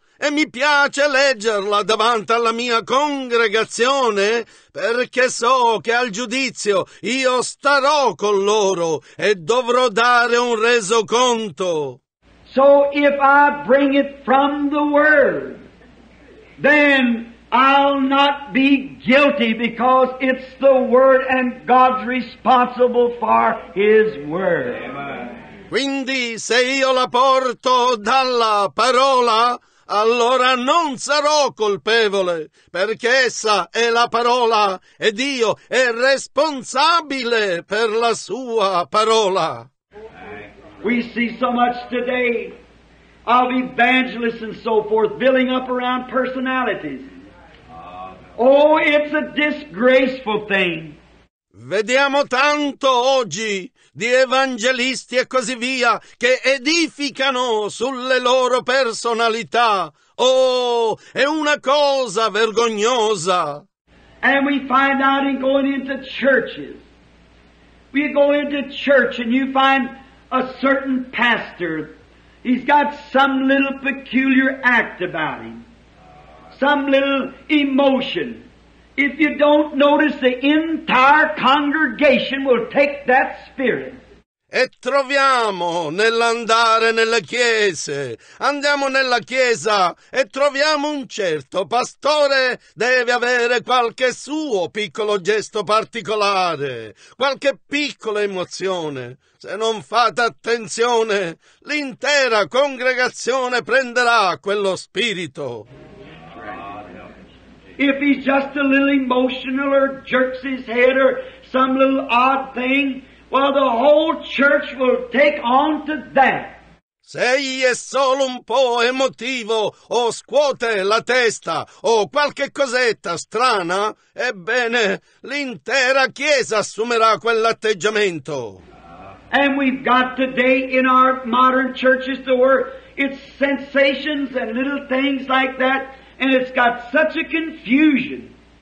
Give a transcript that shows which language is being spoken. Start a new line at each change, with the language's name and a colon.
Italian: E mi piace leggerla davanti alla mia congregazione perché so che al giudizio io starò con loro e dovrò dare un resoconto.
English: So if I bring it from the Word, then I'll not be guilty because it's the Word and God's responsible for His Word. Amen.
Italian: Quindi se io la porto dalla parola, allora non sarò colpevole, perché essa è la parola e Dio è responsabile per la sua parola.
English: We see so much today of evangelists and so forth building up around personalities. Oh, it's a disgraceful thing.
Italian: Vediamo tanto oggi di evangelisti e così via che edificano sulle loro personalità. Oh, è una cosa vergognosa.
English: And we find out in going into churches We go into church and you find a certain pastor. He's got some little peculiar act about him. Some little emotion. If you don't notice, the entire congregation will take that spirit.
Italian: E troviamo nell'andare nelle chiese, andiamo nella chiesa e troviamo un certo pastore, deve avere qualche suo piccolo gesto particolare, qualche piccola emozione. Se non fate attenzione, l'intera congregazione prenderà quello spirito.
English: If he's just a little emotional or jerks his head or some little odd thing, well, the whole church will take on to that.
Italian: Se egli è solo un po' emotivo o scuote la testa o qualche cosetta strana, ebbene, l'intera chiesa assumerà quell'atteggiamento.
English: And we've got today in our modern churches the word, it's sensations and little things like that, and it's got such a confusion.